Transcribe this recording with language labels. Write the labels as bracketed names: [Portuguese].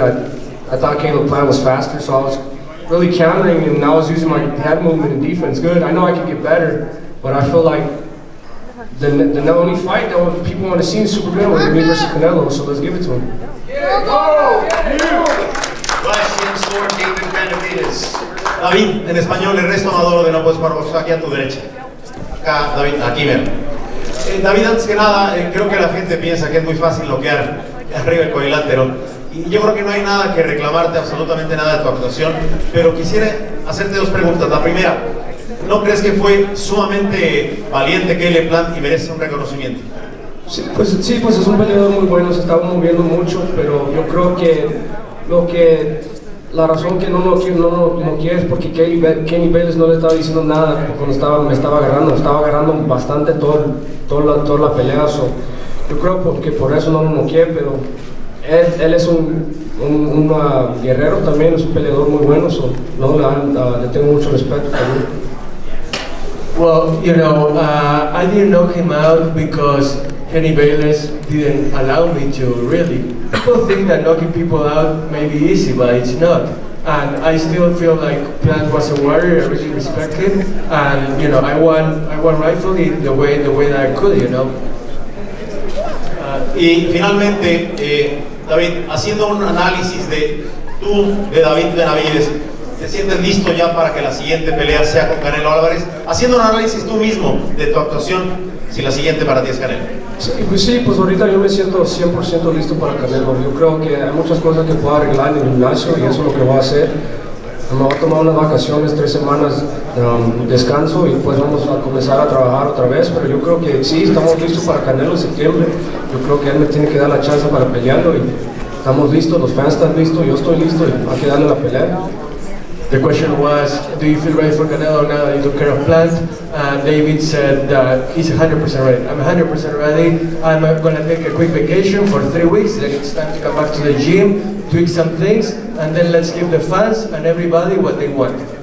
[English] I thought Caleb Plant was faster, so I was really countering him, and I was using my head movement and defense good. I know I can get better. But I feel like the only fight that people want to see in super middleweight would be versus Canelo, so let's give it to him. Yeah, go! Questions for David Benavidez. [Spanish] David, en español, el resto amador de no puedes jugar boxeo aquí a tu derecha. Acá, David, aquí mero. David, antes que nada, creo que la gente piensa que es muy fácil bloquear arriba el cuadrilátero. Y yo creo que no hay nada que reclamarte, absolutamente nada de tu actuación. Pero quisiera hacerte dos preguntas. La primera, ¿no crees que fue sumamente valiente que él le plante y merece un reconocimiento? Sí, pues es un peleador muy bueno, se estaba moviendo mucho, pero yo creo que la razón que no quiere es porque Kenny Bayless no le estaba diciendo nada cuando me estaba agarrando bastante toda la pelea. So, yo creo que por eso no quiere, pero él es un guerrero también, es un peleador muy bueno, so, no, le tengo mucho respeto también. [English] Well, you know, I didn't knock him out because Kenny Bayless didn't allow me to, really. People think that knocking people out may be easy, but it's not. And I still feel like Plant was a warrior. I really respect him. And you know, I won rightfully the way that I could, you know. [Spanish] Y finalmente, David, haciendo un análisis de tú, de David Benavidez, ¿te sientes listo ya para que la siguiente pelea sea con Canelo Álvarez? Haciendo un análisis tú mismo de tu actuación, si la siguiente para ti es Canelo. Sí, pues sí, pues ahorita yo me siento 100% listo para Canelo. Yo creo que hay muchas cosas que puedo arreglar en el gimnasio y eso es lo que voy a hacer. Me voy a tomar unas vacaciones, 3 semanas de descanso y pues vamos a comenzar a trabajar otra vez. Pero yo creo que sí, estamos listos para Canelo en septiembre. Yo creo que él me tiene que dar la chance para pelearlo y estamos listos, los fans están listos, yo estoy listo y va a quedarle la pelea. [English] The question was, do you feel ready for Canelo now that you took care of Plant? David said that he's 100% ready. I'm 100% ready. I'm going to take a quick vacation for 3 weeks. Then it's time to come back to the gym, tweak some things, and then let's give the fans and everybody what they want.